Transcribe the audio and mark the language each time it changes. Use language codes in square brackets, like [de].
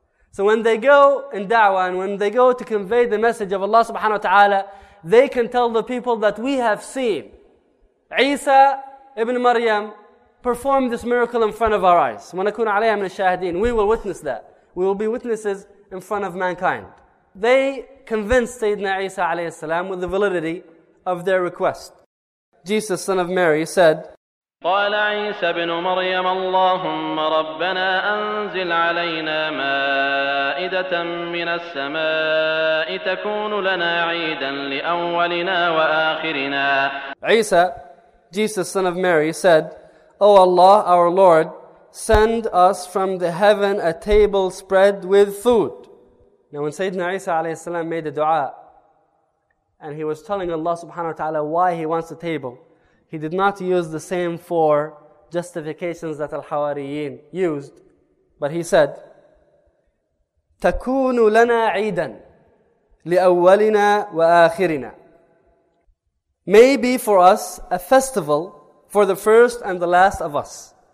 [en] So when they go in da'wah and when they go to convey the message of Allah subhanahu wa ta'ala, they can tell the people that we have seen Isa ibn Maryam perform this miracle in front of our eyes. [ar] وَنَكُونَ عَلَيْهَا مِنَ الشَّاهِدِينَ [en] We will witness that. We will be witnesses in front of mankind. They convinced Sayyidina Isa alayhi salam with the validity of their request. Jesus, son of Mary, said, [ar] قال عيسى بن مريم اللهم ربنا أنزل علينا مائدة من السماء تكون لنا عيدا لأولنا وآخرنا [en] عيسى, Jesus, son of Mary, said, O Allah, our Lord, send us from the heaven a table spread with food. Now when Sayyidina Isa alayhi salam made a dua, and he was telling Allah subhanahu wa ta'ala why he wants a table, he did not use the same four justifications that al-Hawariyin used, but he said, [ar] تَكُونُ لَنَا عِيدًا لِأَوَّلِنَا وَآخِرِنَا [en] May be for us a festival for the first and the last of us.